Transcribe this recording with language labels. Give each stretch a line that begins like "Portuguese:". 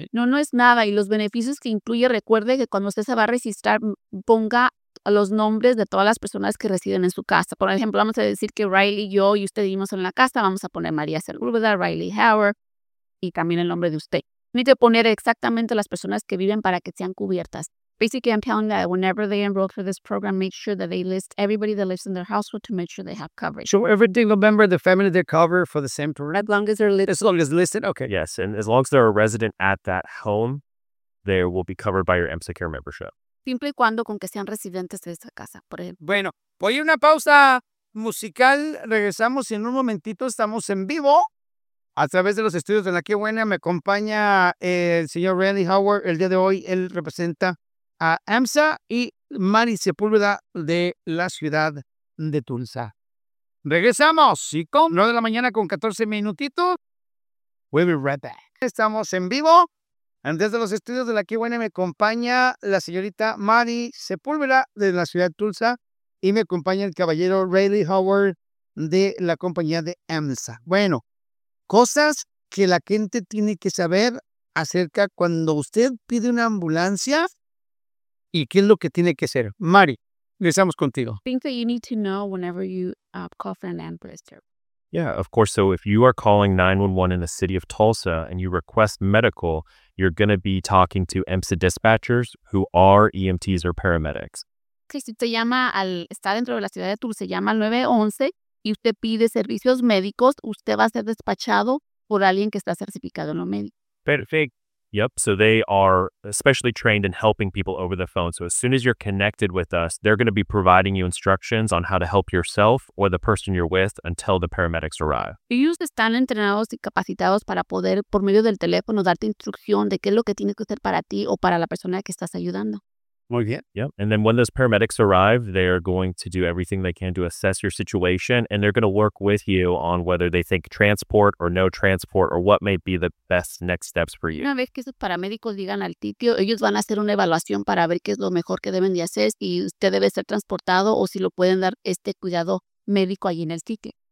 Spanish: No es nada. Y los beneficios que incluye, recuerde que cuando usted se va a registrar, ponga los nombres de todas las personas que residen en su casa. Por ejemplo, vamos a decir que Riley, yo y usted vivimos en la casa, vamos a poner María Sepúlveda, Riley Howard, y también el nombre de usted. Necesito poner exactamente las personas que viven para que sean cubiertas.
English: Basically, I'm telling that whenever they enroll for this program, make sure that they list everybody that lives in their household to make sure they have coverage. So every single member of the family, they're covered for the same program? As long as they're listed. As long as listed, okay. Yes, and as long as they're a resident at that home, they will be covered by your EMSACARE membership.
Spanish: Simple y cuando con que sean residentes de esa casa, por ejemplo. Bueno, voy a una pausa musical. Regresamos en un momentito. Estamos en vivo. A través de los estudios de La Qué Buena, me acompaña el señor Randy Howard. El día de hoy, él representa a EMSA y Mari Sepúlveda de la ciudad de Tulsa. Regresamos. Y con 9 de la mañana con 14 minutitos,
English: we'll be right back.
Spanish: Estamos en vivo. Desde los estudios de La Qué Buena, me acompaña la señorita Mari Sepúlveda de la ciudad de Tulsa y me acompaña el caballero Randy Howard de la compañía de EMSA. Bueno. Cosas que la gente tiene que saber acerca cuando usted pide una ambulancia y qué es lo que tiene que hacer. Mari, regresamos contigo.
English: Things that you need to know whenever you call for an ambulance. Yeah, of course. So if you are calling 911 in the city of Tulsa and you request medical, you're going to be talking to EMSA dispatchers who are EMTs or paramedics.
Spanish: Si usted llama está dentro de la ciudad de Tulsa, llama al 911. Y usted pide servicios médicos, usted va a ser despachado por alguien que está certificado en lo médico.
English: Perfect. Yep. So they are especially trained in helping people over the phone. So as soon as you're connected with us, they're going to be providing you instructions on how to help yourself or the person you're with until the paramedics arrive.
Spanish: Ellos están entrenados y capacitados para poder, por medio del teléfono, darte instrucción de qué es lo que tienes que hacer para ti o para la persona que estás ayudando. Muy bien.
English: Yep. And then when those paramedics arrive, they are going to do everything they can to assess your situation, and they're going to work with you on whether they think transport or no transport or what may be the best next steps for you.
Spanish: Una vez que esos paramédicos llegan al sitio, ellos van a hacer una evaluación para ver qué es lo mejor que deben de hacer, si usted debe ser transportado o si lo pueden dar este cuidado médico allí en el sitio.